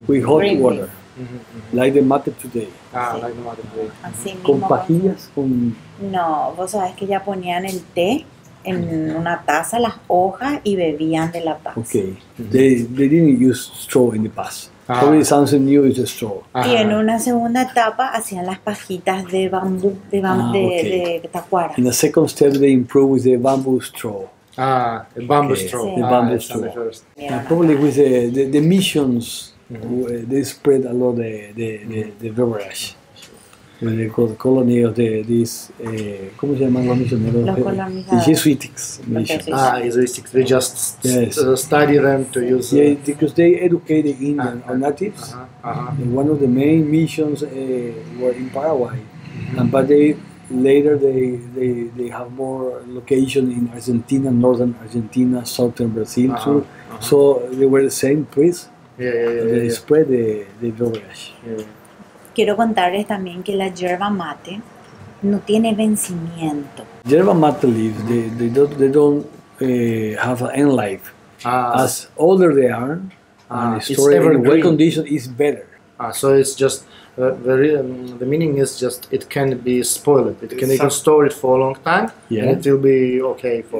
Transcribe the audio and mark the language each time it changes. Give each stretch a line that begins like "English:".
English: With hot green water, like the mate today. Like the mate today.
Spanish: Con pajillas, con. No, vos sabés que ya ponían el té en una taza, las hojas, y bebían de la taza.
English: Okay, they didn't use straw in the past. Probably something new is a straw.
Spanish: Y en una segunda etapa hacían las pajitas de bambú, de tacuara.
English: In the second step they improve with the bamboo straw. The bamboo straw. Probably with the missions, they spread a lot the beverage. When they call the colony of
Spanish: ¿cómo se llaman los misioneros? Los colonizadores.
English: Jesuitics. Jesuitics. They just study them to use. Yeah, because they educate the Indian natives. One of the main missions were in Paraguay, but later they have more location in Argentina, northern Argentina, southern Brazil too. So they were the same priests. They spread the beverage.
Spanish: Quiero contarles también que la yerba mate no tiene vencimiento.
English: Yerba mate leaves, they don't have an end life. As older they are, and well conditioned is better. So it's just the meaning is just it can be spoiled. You can store it for a long time, and it will be okay for.